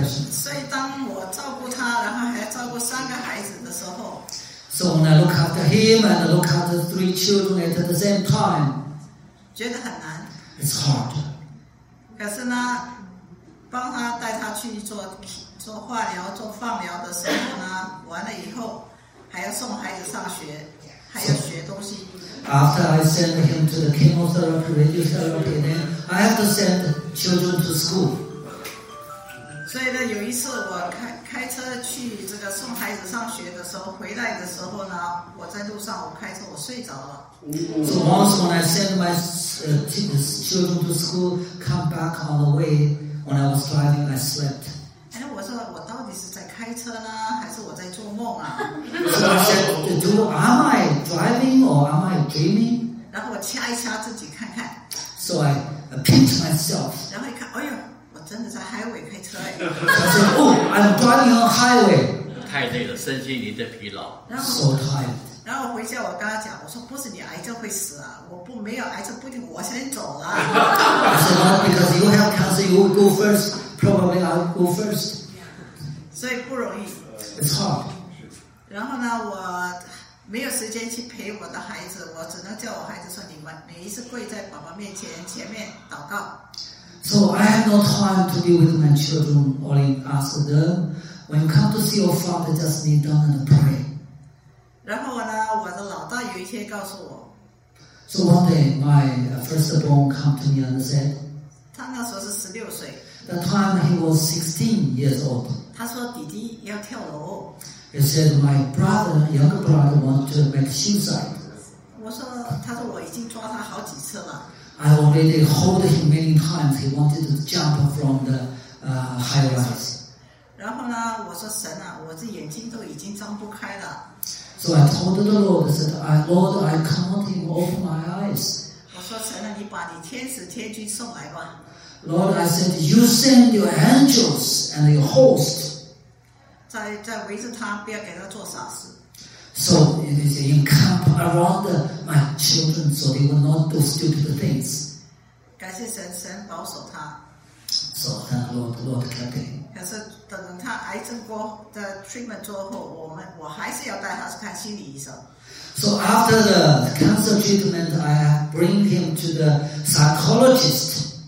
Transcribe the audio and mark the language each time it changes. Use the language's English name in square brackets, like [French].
[Chinese] 所以当我照顾他，然后还照顾三个孩子的时候 [English] ，So when I look after him and look after three children at the same time， [Chinese] 觉得很难。 [English] It's hard。 [Chinese] 可是呢，帮他带他去做化疗、做放疗的时候呢，完了以后。还要送孩子上学，还要学东西。 [English] So, after I send him to the chemotherapy, radiotherapy, then I have to send children to school. [Chinese] 所以呢，有一次我开车去这个送孩子上学的时候，回来的时候呢，我在路上我开车我睡着了。 [English] So once when I send my children to school, come back on the way when I was driving, I slept. [Chinese] 哎，我说我到底是在开车呢，还是我在做梦啊？我说 [English] ，Do am I driving or am I dreaming？ [Chinese] 然后我掐一掐自己看看。 [English] So I pinch myself。 [Chinese] 然后一看，哎呦，我真的在 highway 开车哎。他说 [English] ，Oh， I'm driving on highway。 [Chinese] 太累了，身心灵的疲劳。 [English] So tired。 [Chinese] 然后回家我跟他讲，我说不是你癌症会死啊，我不没有癌症不一定，我先走了。 [English] I said not because you have cancer, you go first. Probably I'll go first. [Chinese] 所以不容易。 [English] It's hard. [Chinese] 然后呢，我没有时间去陪我的孩子，我只能叫我孩子说：“你们每一次跪在爸爸面前前面祷告。” [English] So I have no time to deal with my children. Only ask them when you come to see your father, just kneel down and pray. [Chinese] 然后呢，我的老大有一天告诉我。 [English] So one day, my firstborn came to me and said. [Chinese] 他那时候是16岁。 [English] The time he was 16 years old. [Chinese] 他说弟弟要跳楼。 [English] He said my brother, younger brother, want to make suicide. [Chinese] 我说，他说我已经抓他好几次了。 [English] I already hold him many times. He wanted to jump from the high rise. [Chinese] 然后呢，我说神啊，我这眼睛都已经张不开了。 [English] So I told the Lord, I said, Lord, I can't even open my eyes. [Chinese] 我说神啊，你把你天使天君送来吧。 [English] Lord, I said, you send your angels and your host. [Chinese] 在围着他，不要给他做傻事。 [English] So they encamp around my children, so they will not do stupid things. [Chinese] 感谢神，神保守他。 [English] So thank Lord kept him. [Chinese] 可是等他癌症过的 treatment 之后，我还是要带他去看心理医生。 [English] So after the cancer treatment, I bring him to the psychologist.